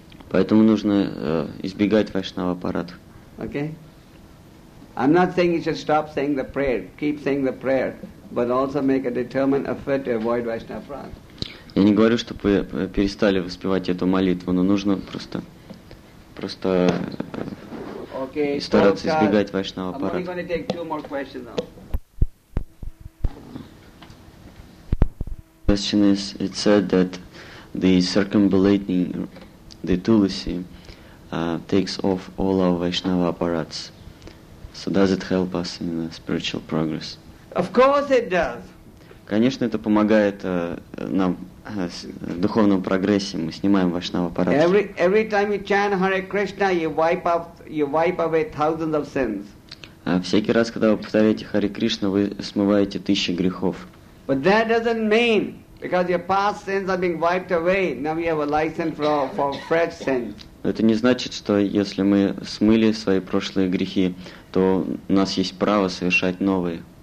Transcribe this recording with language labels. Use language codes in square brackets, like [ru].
[ru] Поэтому нужно избегать вайшнава парадху. [en] Okay? I'm not saying you should stop saying the prayer, keep saying the prayer, but also make a determined effort to avoid Vaishnava aparad. [ru] Я не говорю, чтобы вы перестали воспевать эту молитву, но нужно просто [en] okay, [ru] стараться [en] so [ru] избегать Vaishnava aparad. [en] I'm only going to take two more questions now. The question is, it said that the circumambulating the Tulasi takes off all our Vaishnava aparads. So does it help us in spiritual progress? Of course it does. [ru] Конечно, это помогает нам в духовном прогрессе. Мы снимаем вайшнава парадхи. [en] Every time you chant Hare Krishna, you wipe away thousands of sins. [ru] Всякий раз, когда вы повторяете Hare Krishna, вы смываете тысячи грехов. [en] But that doesn't mean because your past sins are being wiped away, now you have a license for fresh sins. [ru] Это не значит, что если мы смыли свои прошлые грехи, то у нас есть право совершать новые.